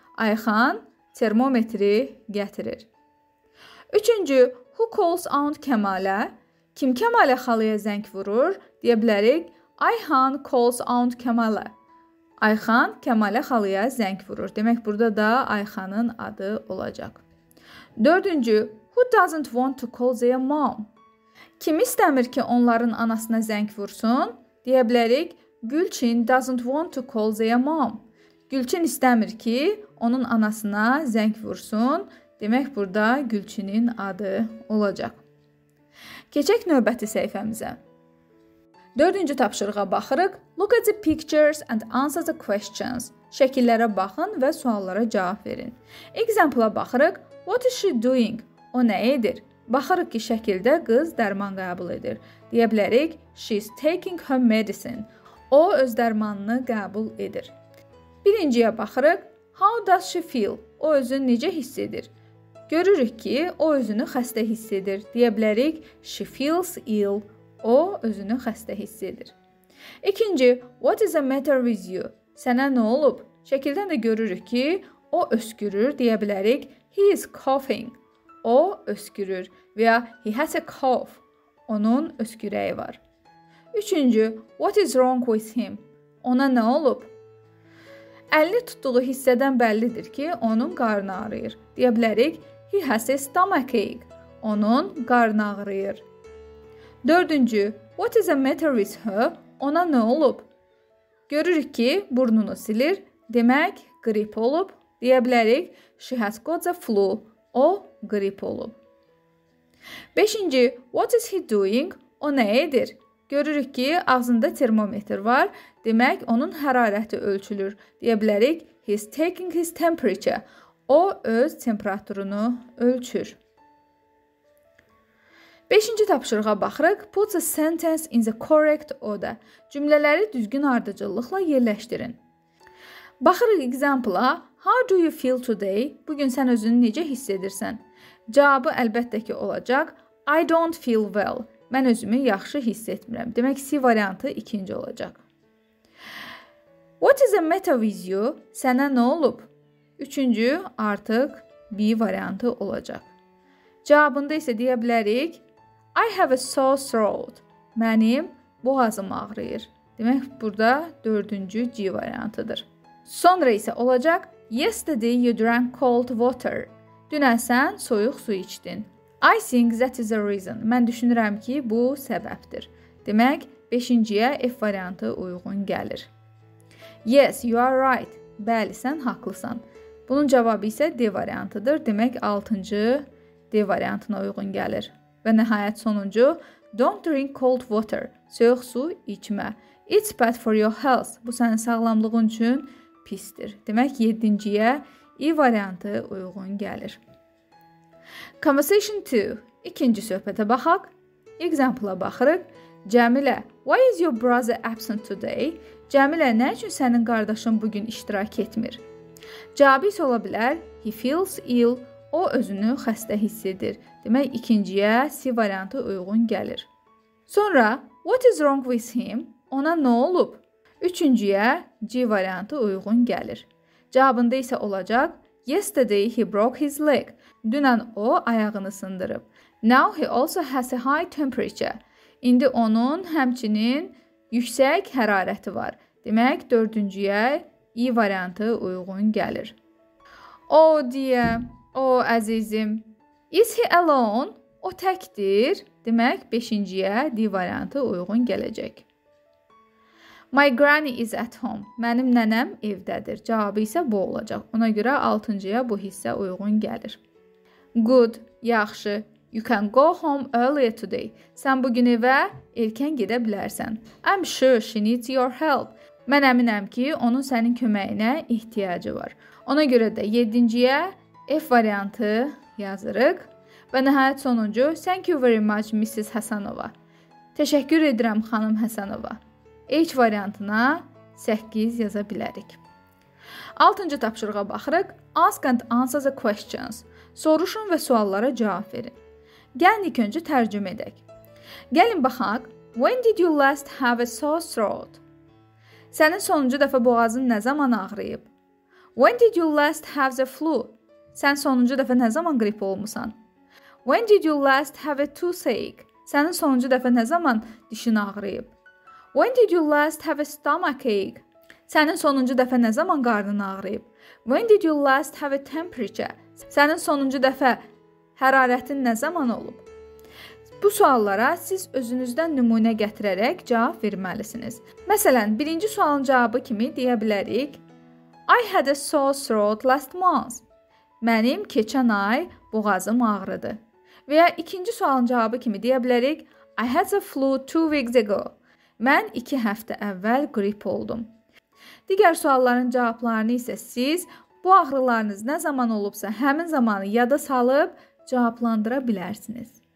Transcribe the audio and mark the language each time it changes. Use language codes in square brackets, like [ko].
[az] Ayxan termometri gətirir. Üçüncü, [en] who calls Aunt Kəmalə? [az] Kim Kəmalə xalaya zəng vurur? Deyə bilərik. [en] Ayxan calls Aunt Kəmalə. [az] Ayxan Kəmalə xalaya zəng vurur. Demək, burada da Ayxanın adı olacaq. Dördüncü, [en] who doesn't want to call their mom? [az] Kim istəmir ki, onların anasına zəng vursun? Deyə bilərik, [en] Gülçin doesn't want to call their mom. [az] Gülçin istəmir ki, onun anasına zəng vursun. Demək, burada Gülçinin adı olacaq. Keçək növbəti səhifəmizə. Dördüncü tapşırığa baxırıq. [en] Look at the pictures and answer the questions. [az] Şəkillərə baxın və suallara cavab verin. Example-a baxırıq. [en] What is she doing? [az] O nə edir? Baxırıq ki, şəkildə qız dərman qəbul edir. Deyə bilərik, [en] she is taking her medicine. [az] O öz dərmanını qəbul edir. Birinciyə baxırıq. [en] How does she feel? [az] O özünü necə hiss edir? Görürük ki, o özünü xəstə hiss edir. Deyə bilərik, [en] she feels ill. [az] O, özünü xəstə hiss edir. İkinci, [en] what is the matter with you? [az] Sənə nə olub? Şəkildən də görürük ki, o öskürür, deyə bilərik. [en] He is coughing. [az] O, öskürür. Və ya, [en] he has a cough. [az] Onun öskürəyi var. Üçüncü, [en] what is wrong with him? [az] Ona nə olub? Əlini tutduğu hissədən bəllidir ki, onun qarnı ağrıyır. Deyə bilərik, [en] he has a stomachache. [az] Onun qarnı ağrıyır. Dördüncü, [en] what is the matter with her? [az] Ona nə olub? Görürük ki, burnunu silir. Demək, qrip olub. Deyə bilərik, [en] she has got the flu. [az] O, qrip olub. Beşinci, [en] what is he doing? [az] O nə edir? Görürük ki, ağzında termometr var. Demək, onun hərarəti ölçülür. Deyə bilərik, [en] he is taking his temperature. [az] O, öz temperaturunu ölçür. Beşinci tapşırığa baxırıq. [en] Put the sentence in the correct order. [az] Cümlələri düzgün ardıcıllıqla yerləşdirin. Baxırıq example-a. [en] How do you feel today? [az] Bugün sən özünü necə hiss edirsən? Cavabı əlbəttə ki olacaq. [en] I don't feel well. [az] Mən özümü yaxşı hiss etmirəm. Demək, C variantı ikinci olacaq. [en] What is the matter with you? [az] Sənə nə olub? Üçüncü, artıq B variantı olacaq. Cavabında isə deyə bilərik, [en] I have a sore throat. [az] Mənim boğazım ağrıyır. Demək, burada dördüncü C variantıdır. Sonra isə olacaq, [en] Yesterday you drank cold water. [az] Dünən sən soyuq su içdin. [en] I think that is a reason. [az] Mən düşünürəm ki, bu səbəbdir. Demək, 5-ciyə F variantı uyğun gəlir. [en] Yes, you are right. [az] Bəli, sən haqlısan. Bunun cavabı isə D variantıdır. Demək, 6-cı D variantına uyğun gəlir. Və nəhayət sonuncu, [en] don't drink cold water. [az] Soyuq su içmə. [en] It's bad for your health. [az] Bu, sənin sağlamlığın üçün pisdir. Demək, 7-ciyə E variantı uyğun gəlir. Conversation 2. İkinci söhbətə baxaq. Example-a baxırıq. [en] Cəmilə, why is your brother absent today? [az] Cəmilə, nə üçün sənin qardaşın bugün iştirak etmir? Cavabı isə ola bilər, [en] he feels ill, [az] o özünü xəstə hiss edir. Demək, ikinciyə C variantı uyğun gəlir. Sonra, [en] what is wrong with him? [az] Ona nə olub? Üçüncüyə C variantı uyğun gəlir. Cavabında isə olacaq, [en] yesterday he broke his leg. [az] Dünən o ayağını sındırıb. [en] Now he also has a high temperature. [az] İndi onun həmçinin yüksək hərarəti var. Demək, dördüncüyə E variantı uyğun gəlir. [en] Oh dear, [az] oh əzizim. [en] Is he alone? [az] O təkdir. Demək, beşinciyə D variantı uyğun gələcək. [en] My granny is at home. [az] Mənim nənəm evdədir. Cavabı isə bu olacaq. Ona görə 6-cıya bu hissə uyğun gəlir. [en] Good, [az] yaxşı. [en] You can go home earlier today. [az] Sən bugün evə erkən gedə bilərsən. [en] I'm sure she needs your help. [az] Mən əminəm ki, onun sənin köməyinə ihtiyacı var. Ona görə də 7-ciyə F variantı yazırıq. Və nəhayət sonuncu, [en] thank you very much, Mrs. Hasanova. [az] Təşəkkür edirəm, xanım Hasanova. H variantına 8 yaza bilərik. 6-cı tapşırığa baxırıq. [en] Ask and answer the questions. [az] Soruşun və suallara cavab verin. Gəlin ilk öncə tərcümə edək. Gəlin baxaq. [en] When did you last have a sore throat? [az] Sənin sonuncu dəfə boğazın nə zaman ağrıyıb? [en] When did you last have the flu? [az] Sən sonuncu dəfə nə zaman qrip olmuşsan? [en] When did you last have a toothache? [az] Sənin sonuncu dəfə nə zaman dişin ağrıyıb? [en] When did you last have a stomachache? [az] Sənin sonuncu dəfə nə zaman qarnın ağrıyıb? [en] When did you last have a temperature? [az] Sənin sonuncu dəfə hərarətin nə zaman olub? Bu suallara siz özünüzdən nümunə gətirərək cavab verməlisiniz. Məsələn, birinci sualın cavabı kimi deyə bilərik. [en] I had a sore throat last month. [az] Mənim keçən ay boğazım ağrıdı. Və ya ikinci sualın cavabı kimi deyə bilərik. [en] I had the flu 2 weeks ago. [az] Mən 2 həftə əvvəl qrip oldum. Digər sualların cavablarını isə siz bu ağrılarınız nə zaman olubsa həmin zamanı yada salıb cavablandıra bilərsiniz.